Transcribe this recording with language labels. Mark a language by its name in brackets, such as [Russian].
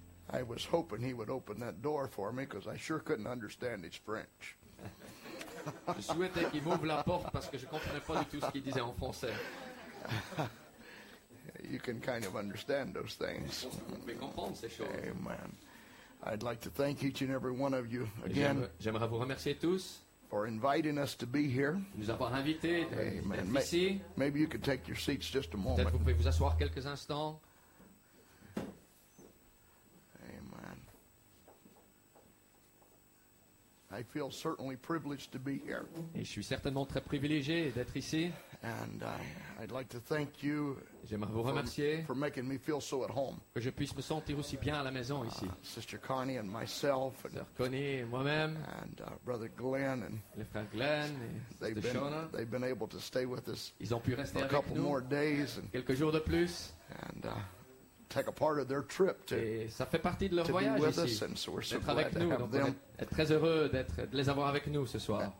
[English] I was hoping he would open that door for me because I sure couldn't understand his French. [French] Je souhaitais qu'il m'ouvre la porte parce que je comprenais pas du tout ce qu'il disait en français. [English] You can kind of understand those things. [French] Mais comprendre ces choses. [English] Amen. I'd like to thank each and every one of you again. [French] J'aimerais vous remercier tous. [English] For inviting us to be here. [French] Nous avoir invités d'être ici. [English] Maybe you could take your seats just a moment. [French] Peut-être vous pouvez vous asseoir quelques instants. [English] I feel certainly privileged to be here. [French] Et je suis certainement très privilégié d'être ici. [English] And I'd like to thank you. [French] J'aimerais vous remercier [English] for making me feel so at home. [French] Que je puisse me sentir aussi bien à la maison ici. [English] Sister Connie and myself. [French] Sœur Connie et moi-même. [English] And Brother Glenn and. [French] Les frères Glenn et Shona. [English] They've been able to stay with us. [French] Ils ont pu rester avec nous. [English] A couple more days. [French] Quelques jours de plus. [English] And take a part of their trip to, [French] et ça fait partie de leur voyage ici, [English] us, and so we're so [French] d'être avec nous, donc on est très heureux d'être, de les avoir avec nous ce soir.